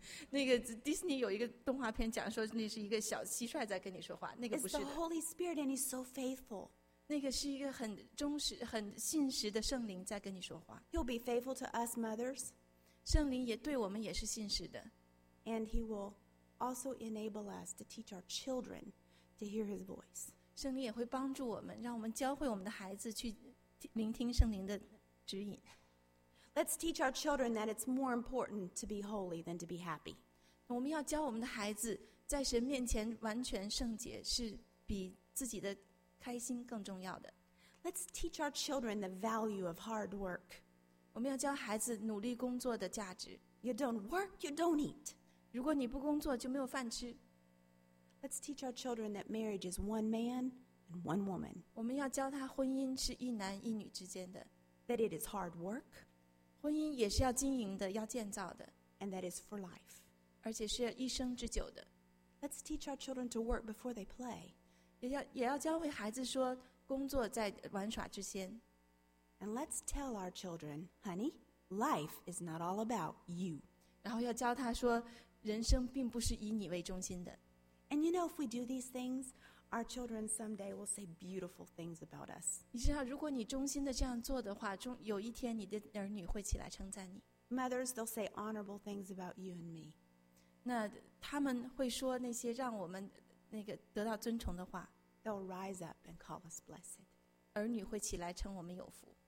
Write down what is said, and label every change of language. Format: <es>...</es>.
<zh>那个 Disney 有一个动画片讲说那是一个小蟋蟀在跟你说话，那个不是的。</zh> <en>It's the Holy Spirit, and He's so faithful.</en> <zh>那个是一个很忠实、很信实的圣灵在跟你说话。</zh> <en>He'll be faithful to us mothers.</en> <zh>圣灵也对我们也是信实的。</zh> <en>And He will also enable us to teach our children to hear His voice.</en> <zh>圣灵也会帮助我们，让我们教会我们的孩子去聆听圣灵的指引。</zh> <en>Let's teach our children that it's more important to be holy than to be happy.</en> <zh>我们要教我们的孩子在神面前完全圣洁是比自己的开心更重要的。</zh> <en>Let's teach our children the value of hard work.</en> <zh>我们要教孩子努力工作的价值。</zh> <en>You don't work, you don't eat.</en> <zh>如果你不工作就没有饭吃。</zh> <en>Let's teach our children that marriage is one man and one woman.</en> <zh>我们要教他婚姻是一男一女之间的。</zh> <en>That it is hard work.</en> <zh>婚姻也是要经营的，要建造的。</zh> <en>And that is for life.</en> <zh>而且是要一生之久的。</zh> <en>Let's teach our children to work before they play.</en> <zh>也要教会孩子说工作在玩耍之前。</zh> <en>And let's tell our children, honey, life is not all about you.</en> <zh>然后要教他说人生并不是以你为中心的。</zh> <en>And you know, if we do these things, our children someday will say beautiful things about us.</en> <zh>你知道，如果你忠心的这样做的话，有一天你的儿女会起来称赞你。</zh> <en>Mothers, they'll say honorable things about you and me.</en> <zh>那他们会说那些让我们那个得到尊崇的话。</zh> <en>They'll rise up and call us blessed.</en> <zh>儿女会起来称我们有福。</zh>